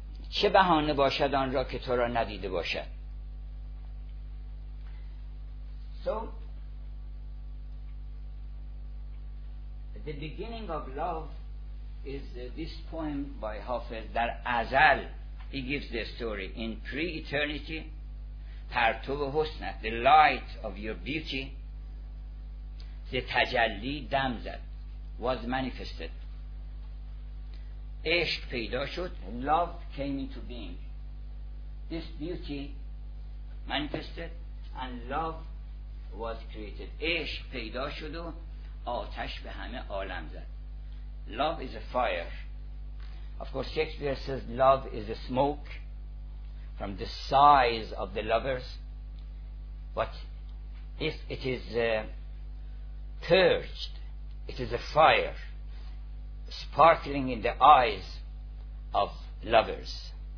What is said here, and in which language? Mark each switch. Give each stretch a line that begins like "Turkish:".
Persian: چه بهانه باشد آن را که تو را ندیده باشد.
English: So the beginning of love is this poem by Hafez.
Persian: در ازل
English: he gives the story. In pre-eternity,
Persian: پرتو حسنت,
English: the light of your beauty, the
Persian: تجلی دم زد,
English: was manifested.
Persian: عشق پیدا شد,
English: love came into being. This beauty manifested and love was created.
Persian: عشق پیدا شد و آتش به همه عالم زد.
English: Love is a fire. Of course, Shakespeare says love is a smoke from the size of the lovers. But if it is purged, it is a fire sparkling in the eyes of lovers.